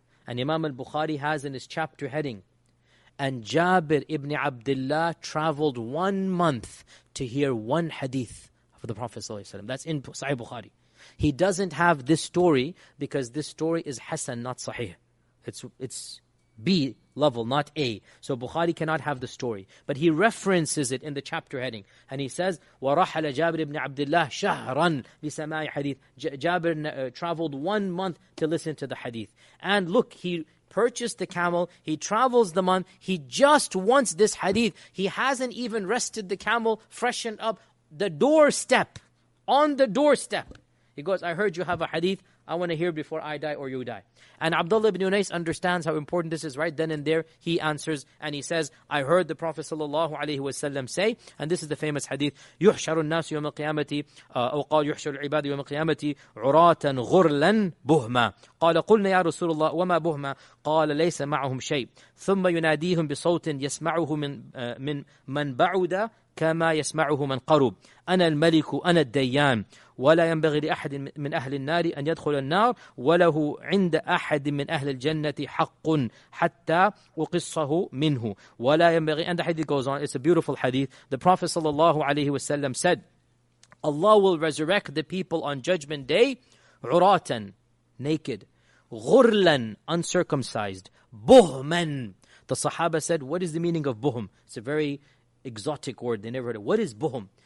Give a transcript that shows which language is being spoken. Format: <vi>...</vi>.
<en>And Imam al-Bukhari has in his chapter heading, and Jabir ibn Abdullah traveled 1 month to hear one hadith of the Prophet ﷺ. That's in Sahih Bukhari. He doesn't have this story because this story is Hasan, not Sahih. It's B level, not A. So Bukhari cannot have the story. But he references it in the chapter heading. And he says,</en> <ar>وَرَحَلَ جَابِرِ ابْنِ عَبْدِ اللَّهِ شَهْرًا بِسَمَاءِ حَدِيثِ.</ar> <en>Jabir traveled 1 month to listen to the hadith. And look, he purchased the camel. He travels the month. He just wants this hadith. He hasn't even rested the camel, freshened up. The doorstep, on the doorstep, he goes, I heard you have a hadith. I want to hear before I die or you die. And Abdullah ibn Unais understands how important this is right then and there. He answers and he says, I heard the Prophet sallallahu alayhi wa sallam say, and this is the famous hadith,</en> <ar>يُحْشَرُ النَّاسُ يَوْمَ الْقِيَامَةِ أَوْ قَالُ يُحْشَرُ الْعِبَادِ يَوْمَ الْقِيَامَةِ عُرَاتًا غُرْلًا بُهْمًا قَالَ قُلْنَا يَا رَسُولُ اللَّهِ وَمَا بُهْمًا قَالَ لَيْسَ مَعُهُمْ شَيْءٍ ثُمَّ يُنَادِيهُمْ بِصَوْتٍ يَسْمَعُهُ مِنْ مَنْ بَعُدَ كَمَا يَسْمَعُهُ مَنْ قَرُبَ أَنَا الْمَلِكُ أَنَا الدَّيَّانُ ولا ينبغي لأحد من أهل النار أن يدخل النار وله عند أحد من أهل الجنة حق حتى أقصه منه ولا ينبغي.</ar> <en>And the hadith goes on. It's a beautiful hadith. The Prophet sallallahu alayhi wa sallam said, Allah will resurrect the people on judgment day عُرَاتًا, naked, غُرْلًا, uncircumcised, بُهْمًا. The Sahaba said, what is the meaning of buhum? It's a very exotic word. They never heard it. What is buhum?</en>